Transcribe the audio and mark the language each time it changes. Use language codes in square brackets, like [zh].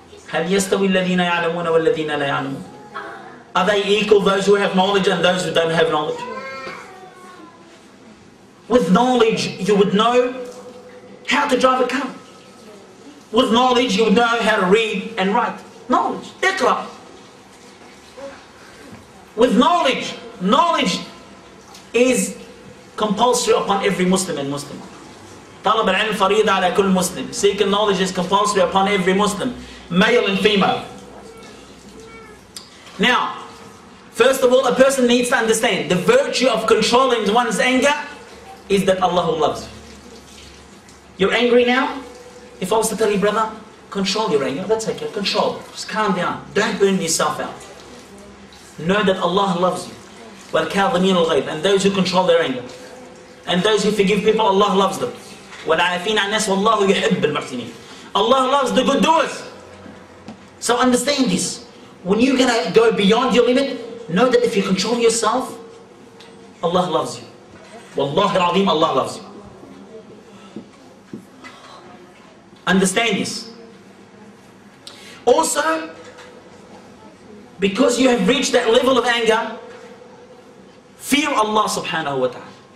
[ar] هل يستوي الذين يعلمون والذين لا يعلمون? [en] Are they equal, those who have knowledge and those who don't have knowledge? With knowledge, you would know how to drive a car. With knowledge, you would know how to read and write. Knowledge. Dekra. With knowledge, knowledge is compulsory upon every Muslim and Muslim. [ar] طلب العلم فريضة على كل مسلم. [en] Seeking knowledge is compulsory upon every Muslim, male and female. Now, first of all, a person needs to understand the virtue of controlling one's anger is that Allah loves you. You're angry now? If I was to tell you, brother, control your anger, that's okay, control. Just calm down. Don't burn yourself out. Know that Allah loves you. [ar] والكاظمين الغيظ, [en] and those who control their anger. And those who forgive people, Allah loves them. [ar] والعافين عن الناس والله يحب المحسنين. [en] Allah loves the good doers. So understand this. When you're going to go beyond your limit, know that if you control yourself, Allah loves you. [ar] والله العظيم, [en] Allah loves you. Understand this. Also, because you have reached that level of anger, fear Allah subhanahu wa ta'ala.